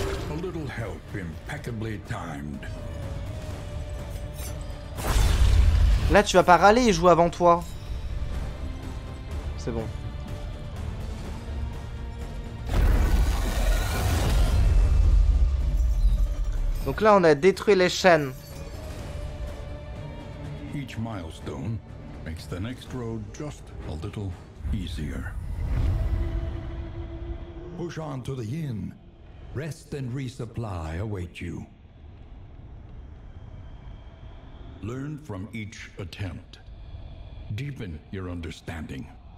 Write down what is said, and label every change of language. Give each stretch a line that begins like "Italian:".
English: A little help impeccably timed.
French: Là, tu vas pas râler et jouer avant toi. C'est bon. Donc là, on a détruit les chaînes.
English: Each milestone makes the next road just a little easier. push on to the inn. Rest and resupply await you. Learn from each attempt. Deepen your understanding.